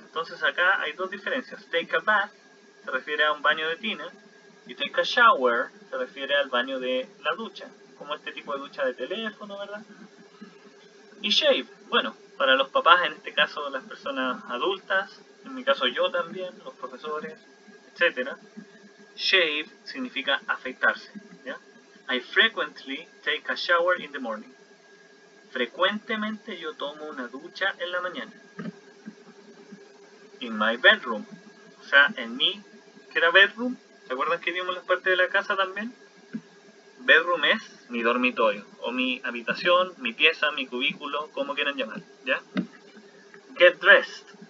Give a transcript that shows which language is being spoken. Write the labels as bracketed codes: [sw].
[es] Entonces acá hay dos diferencias. Take a bath se refiere a un baño de tina y take a shower se refiere al baño de la ducha, como este tipo de ducha de teléfono, ¿verdad? Y shave, bueno, para los papás, en este caso las personas adultas, en mi caso yo también, los profesores, etc. Shave significa afeitarse, ¿ya? [en] I frequently take a shower in the morning. [es] Frecuentemente yo tomo una ducha en la mañana. [en] In my bedroom. [es] O sea, en mi, ¿qué era bedroom? ¿Se acuerdan que vimos la parte de la casa también? Bedroom es mi dormitorio, o mi habitación, mi pieza, mi cubículo, como quieran llamar, ¿ya? [en] Get dressed.